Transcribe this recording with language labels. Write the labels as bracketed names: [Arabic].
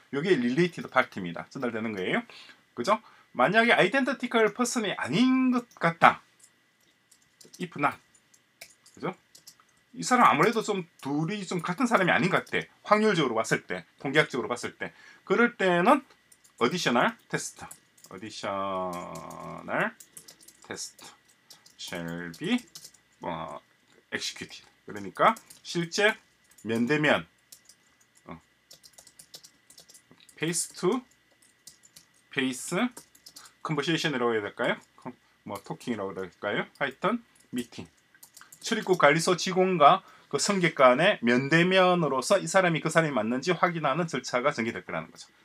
[Korean] 이게 릴레이티드 파티입니다. 전달되는 거예요. 그죠? 만약에 아이덴티컬 퍼슨이 아닌 것 같다. [English] If not. [Korean] 그죠? 이 사람 아무래도 좀 둘이 좀 같은 사람이 아닌 것 같아. 확률적으로 봤을 때, 통계학적으로 봤을 때. 그럴 때는 [English] additional test. additional test shall be executed. [Korean] 그러니까 실제 면대면 [English] face to face conversation [Korean] 이라고 해야 될까요? 뭐 talking이라고 해야 될까요? 하여튼 meeting. 출입국 관리소 직원과 그 승객 간의 면대면으로서 이 사람이 그 사람이 맞는지 확인하는 절차가 전개될 거라는 거죠.